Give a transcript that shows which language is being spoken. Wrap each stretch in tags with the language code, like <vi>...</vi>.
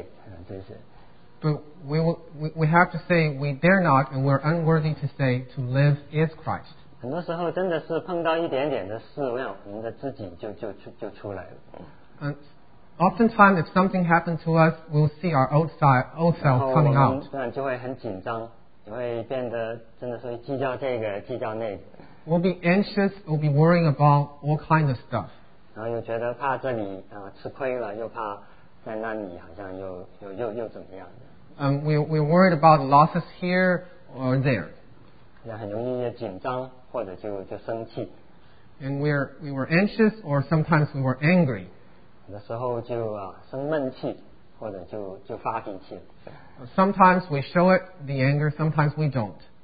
<zh>但真要说活着是基督，真的是觉得很不敢，也不配，这些。</zh> <en>But we have to say we dare not, and we're unworthy to say to live is Christ.</en> <zh>很多时候真的是碰到一点点的事，我想我们的自己就出来了。</zh> <en>Oftentimes, if something happened to us, we'll see our old self coming out.</en> <zh>然后我们就会很紧张，也会变得真的是计较这个，计较那个。</zh> <en>We'll be anxious, we'll be worrying about all kinds of stuff.</en> <zh>然后又觉得怕这里吃亏了，又怕在那里好像又怎么样。</zh> <en>We're worried about losses here or there.</en> <zh>很容易也紧张。或者就生气。</zh> <en>And we were anxious or sometimes we were angry.</en> <zh>有的时候就生闷气 或者就发脾气了。</zh> <en>Sometimes we show it the anger, sometimes we don't.</en>